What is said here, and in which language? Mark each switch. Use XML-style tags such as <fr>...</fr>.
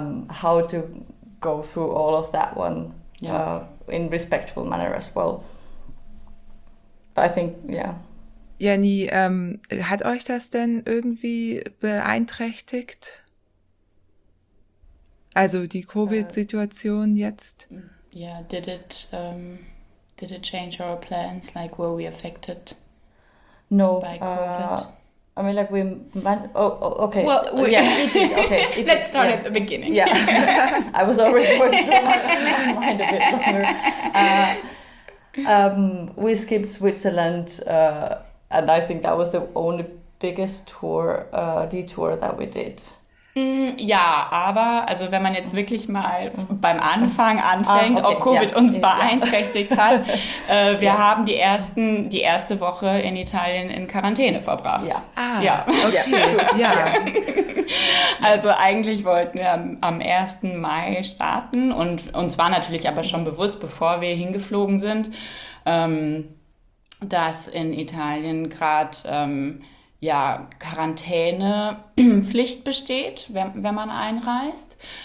<en>how to go through all of that one in respectful manner as well. But I think,</en> <de>Jenny, hat euch das denn irgendwie beeinträchtigt? Also die Covid-Situation jetzt?</de> <en>Yeah, did it change our plans? Like, were we affected? No. By COVID? I mean, like, okay. Well, it did. Okay. Let's start at the beginning. Yeah. I was already working through my mind a bit longer. We skipped Switzerland. And I think that was the only biggest detour that we did.</en> <de>Ja, aber also wenn man jetzt wirklich mal beim Anfang anfängt, ob Covid uns beeinträchtigt hat, wir haben die erste Woche in Italien in Quarantäne verbracht. Ja. Ah, ja. Okay. Ja. Also eigentlich wollten wir am 1. Mai starten und uns war natürlich aber schon bewusst, bevor wir hingeflogen sind, dass in Italien gerade Quarantänepflicht besteht, wenn man einreist.</de>